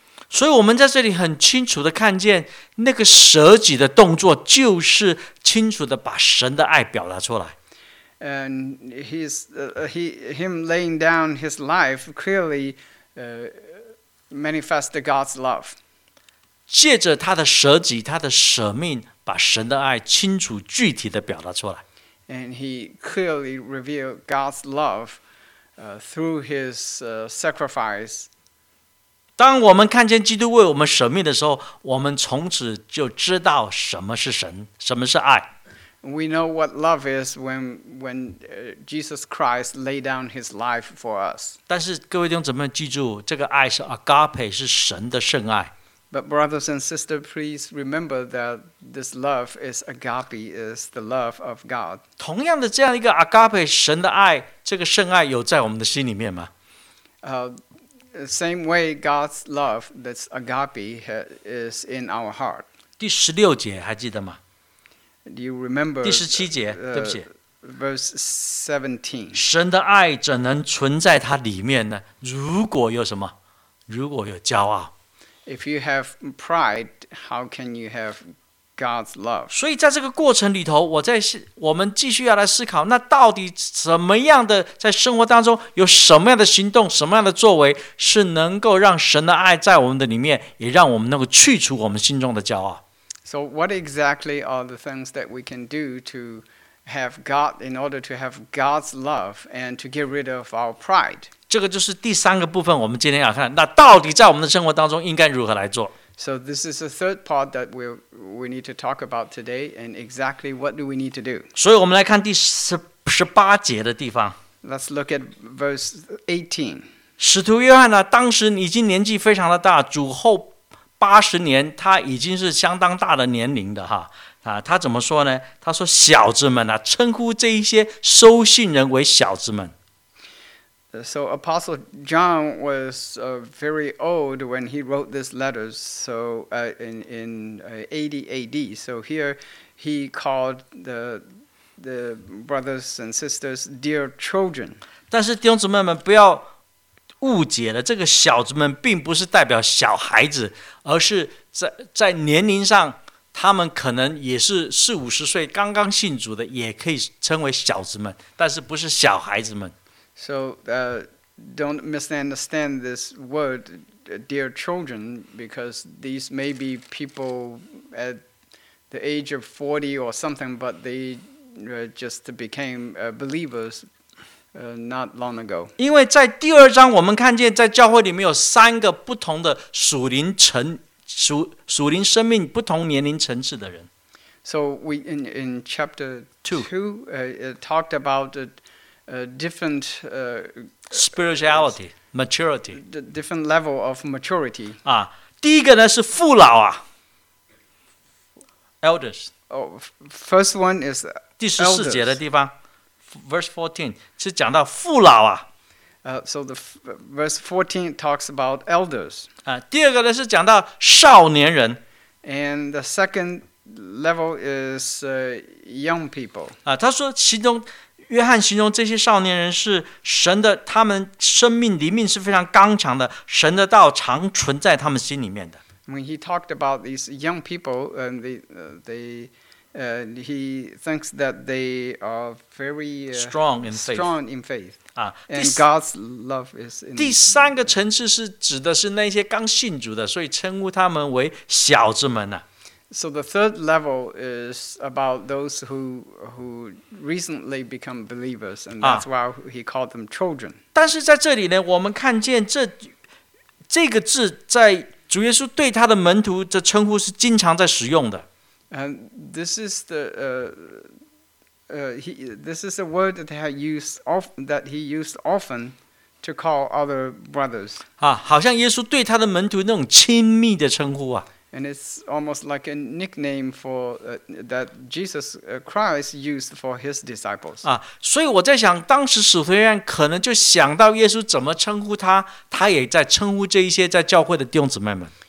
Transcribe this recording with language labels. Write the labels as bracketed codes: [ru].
[zh] 所以我们在这里很清楚地看见那个舍己的动作就是清楚地把神的爱表达出来。 [en] And him laying down his life clearly manifested God's love. [zh] 借着他的舍己，他的舍命，把神的爱清楚具体的表达出来。 [en] And he clearly revealed God's love through his sacrifice. [zh] 当我们看见基督为我们舍命的时候，我们从此就知道什么是神，什么是爱。 [en] We know what love is when Jesus Christ laid down his life for us. [zh] 但是各位弟兄姊妹，记住，这个爱是 agape， 是神的圣爱。 [en] But brothers and sisters, please remember that this love is agape, is the love of God. [zh] 同样的这样一个 agape, 神的爱，这个圣爱有在我们的心里面吗？ [en] Same way God's love, that's agape, is in our heart. [zh] 第十六节还记得吗？ [en] Do you remember? [zh] 第十七节，对不起。 [en] Verse 17. [zh] 神的爱怎能存在它里面呢？如果有什么？如果有骄傲。 [en] If you have pride, how can you have God's love? [zh] 所以在这个过程里头，我们继续要来思考，那到底怎么样的在生活当中有什么样的行动，什么样的作为是能够让神的爱在我们的里面，也让我们能够去除我们心中的骄傲。 [en] So what exactly are the things that we can do to have God in order to have God's love and to get rid of our pride? [zh] 这个就是第三个部分，我们今天要看，那到底在我们的生活当中应该如何来做。 [en] So this is the third part that we need to talk about today, and exactly what do we need to do? [zh] 所以我们来看第十八节的地方。 [en] Let's look at verse 18. [zh] 使徒约翰呢，当时已经年纪非常的大，主后八十年，他已经是相当大的年龄的哈。他怎么说呢？他说，小子们啊，称呼这一些收信人为小子们。 [en] So Apostle John was very old when he wrote these letters. So AD. So here he called the brothers and sisters dear children. [zh] 但是弟兄姊妹们不要误解了，这个小子们并不是代表小孩子，而是在年龄上，他们可能也是四五十岁刚刚信主的，也可以称为小子们，但是不是小孩子们。 [en] So don't misunderstand this word, dear children, because these may be people at the age of 40 or something, but they just became believers not long ago. [zh] 因为在第二章我们看见在教会里面有三个不同的属灵生命不同年龄层次的人。 [en] So we in chapter 2, talked about different spirituality, maturity, different level of maturity. [zh] 啊，第一个呢是父老啊 ， [en] elders. Oh, first one is [zh] 第十四节的地方 ， [en] verse 14 [zh] 是讲到父老啊。 [en] So the verse 14 talks about elders. [zh] 啊，第二个呢是讲到少年人 [en] ，and the second level is young people. [zh] 啊，他说其中。约翰形容这些少年人是神的，他们生命灵命是非常刚强的，神的道常存在他们心里面的。 [en] When he talked about these young people, and he thinks that they are very strong in faith. Strong in faith. 啊，and God's love is. [zh] 第三个层次是指的是那些刚信主的，所以称呼他们为小子们呢、啊。 [en] So the third level is about those who recently become believers, and that's why he called them children. [zh] 但是在这里呢，我们看见这个字在主耶稣对他的门徒的称呼是经常在使用的。 [en] And this is the word that he used often to call other brothers. [zh] 好像耶稣对他的门徒那种亲密的称呼啊。 [en] And it's almost like a nickname for that Jesus Christ used for his disciples. [zh] 所以我在想，当时使徒约翰可能就想到耶稣怎么称呼他，他也在称呼这一些在教会的弟兄姊妹们。